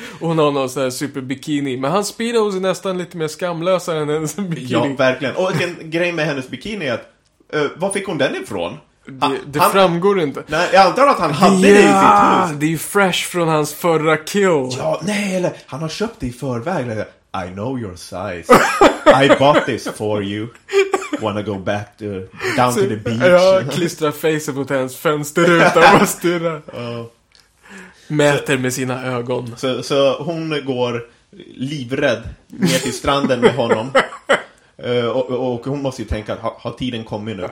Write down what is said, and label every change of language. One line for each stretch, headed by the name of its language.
Swedish: Och hon har någon sån här superbikini. Men hans Speedos är nästan lite mer skamlösa än hennes bikini. Ja, verkligen. Och en grej med hennes bikini är att var fick hon den ifrån? Det framgår inte. Nej, jag antar att han hade det i sitt hus. Det är ju fresh från hans förra kill. Ja, nej, eller han har köpt det i förväg.
English: I know your size. I bought this for you. Wanna go back to down to the beach.
Swedish: Ja, klistra face mot hennes fönsterruta och stirra. Mäter med sina ögon. Så hon går livrädd ner till stranden med honom. Och hon måste ju tänka att har tiden kommit nu?